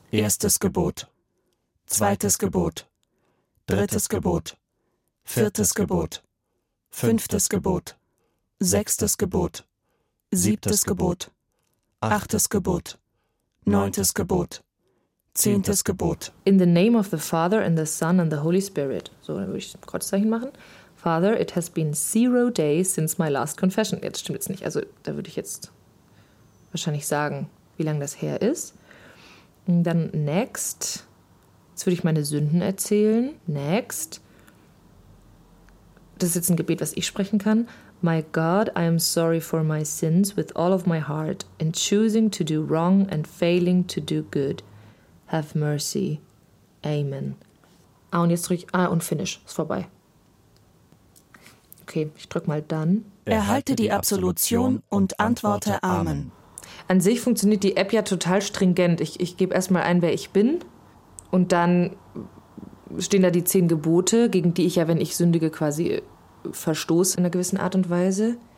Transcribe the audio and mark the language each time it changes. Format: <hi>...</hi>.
<de>Erstes Gebot, zweites Gebot, drittes Gebot, viertes Gebot, fünftes Gebot, sechstes Gebot, siebtes Gebot, achtes Gebot, neuntes Gebot, zehntes Gebot.</de> <en>In the name of the Father and the Son and the Holy Spirit.</en> <de>So, dann würde ich ein Kreuzzeichen machen.</de> <en>Father, it has been 0 days since my last confession.</en> <de>Jetzt stimmt es nicht. Also da würde ich jetzt wahrscheinlich sagen, wie lange das her ist. Und dann</de> <en>next.</en> <de>Jetzt würde ich meine Sünden erzählen.</de> <en>Next.</en> <de>Das ist jetzt ein Gebet, was ich sprechen kann.</de> <en>My God, I am sorry for my sins with all of my heart, in choosing to do wrong and failing to do good. Have mercy. Amen.</en> <de>Ah, und jetzt drücke ich, und</de> <en>finish.</en> <de>Ist vorbei. Okay, ich drücke mal dann. Erhalte die Absolution und antworte Amen. An sich funktioniert die App ja total stringent. Ich gebe erstmal ein, wer ich bin. Und dann stehen da die 10 Gebote, gegen die ich ja, wenn ich sündige, quasi verstoße in einer gewissen Art und Weise.</de>